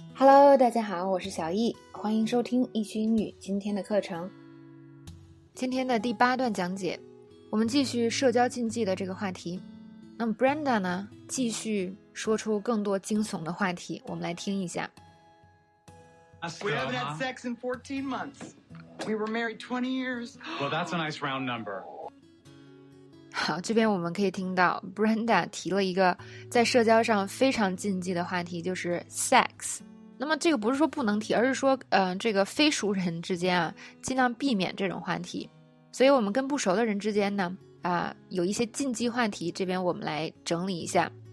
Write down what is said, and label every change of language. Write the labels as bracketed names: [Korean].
[Chinese] Hello， 大家好，我是小易，欢迎收听易趣英语今天的课程。今天的第八段讲解，我们继续社交禁忌的这个话题。那么 Brenda 呢，继续说出更多惊悚的话题，我们来听一下。 [English] We haven't had sex in 14 months. We were married 20 years. Well, that's a nice round number. [Chinese] 好，这边我们可以听到 Brenda 提了一个在社交上非常禁忌的话题，就是 sex。那么这个不是说不能提，而是说这个非熟人之间啊，尽量避免这种话题。所以我们跟不熟的人之间呢有一些禁忌话题，这边我们来整理一下。